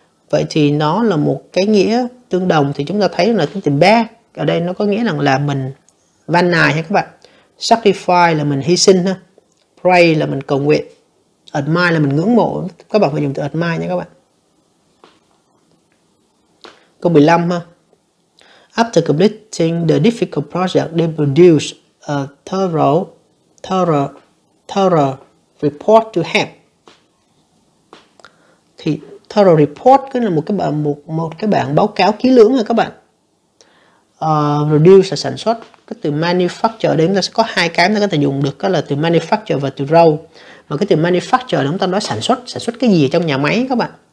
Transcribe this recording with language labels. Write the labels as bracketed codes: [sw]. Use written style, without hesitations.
[vi] Vậy thì nó là một cái nghĩa tương đồng, thì chúng ta thấy là cái từ bear ở đây nó có nghĩa rằng là mình van nài ha các bạn. Sacrifice là mình hy sinh ha. Pray là mình cầu nguyện. Admire là mình ngưỡng mộ. Các bạn phải dùng từ admire nha các bạn. Câu 15 ha. [en] After completing the difficult project, they produce a thorough report to help. [vi] Thì thorough report cái là một cái bản, một cái bản báo cáo kỹ lưỡng rồi các bạn. Produce là sản xuất, cái từ manufacture đến là sẽ có hai cái chúng ta có thể dùng được, đó là từ manufacture và từ grow. Mà cái từ manufacture là chúng ta nói sản xuất cái gì ở trong nhà máy các bạn.